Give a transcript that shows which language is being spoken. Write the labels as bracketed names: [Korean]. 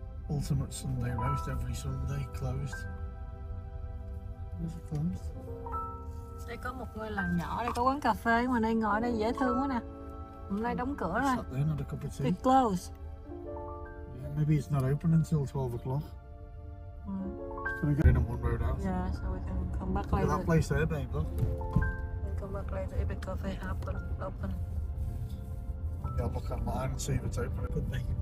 [English] Ultimate Sunday roast, every Sunday closed. [Vietnamese] Đây có một ngôi làng nhỏ, đây có quán cà phê mà đây ngồi đây dễ thương quá nè. Hôm nay đóng cửa rồi. [English] Sat there, not a cup of tea. It closed. Yeah, maybe it's not open until 12 o'clock. Can we get in on one road out? Yeah, so we can come back later. Look at that place there, babe. We can come back later if the coffee happen open. Yeah, look online and see if it's open. It could be.